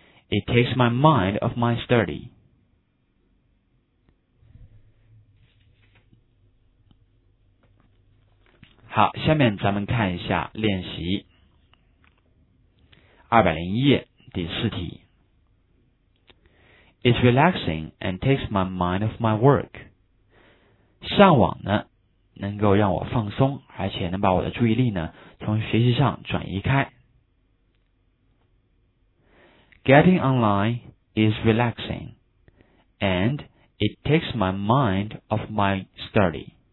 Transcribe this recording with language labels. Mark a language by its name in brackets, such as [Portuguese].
[English] It takes my mind off my study. [Chinese] 好，下面咱们看一下练习201页第四题。 [English] It's relaxing and takes my mind off my work. [Chinese] 上网呢，能够让我放松，而且能把我的注意力呢，从学习上转移开。 [English] Getting online is relaxing, and it takes my mind off my study.